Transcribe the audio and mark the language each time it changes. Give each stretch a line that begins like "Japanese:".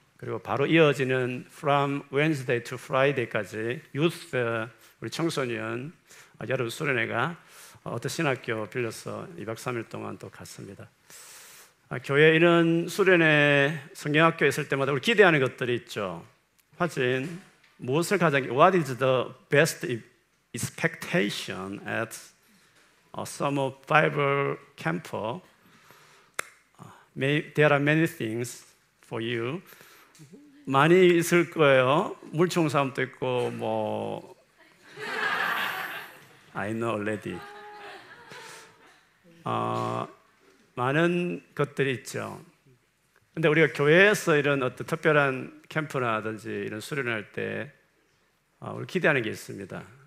Korean: 그리고 바로 이어지는
English: From Wednesday to Friday
Korean: 까지 유스 우리 청소년 여름 수련회가 어떤 신학교 빌려서 2박 3일 동안 또 갔습니다. 교회 이런 수련회 성경학교에 있을 때마다 우리 기대하는 것들이 있죠.
English: 화진,
Korean: 무엇을 가장,
English: What is the best expectation at a summer Bible camp? There are many things for you.
Korean: 많이 있을 거예요. 물총사함도 있고, 뭐,
English: I know already.
Korean: 많은 것들이 있죠. 근데 우리가 교회에서 이런 어떤 특별한 캠프라든지 이런 수련을 할 때, 우리 기대하는 게 있습니다.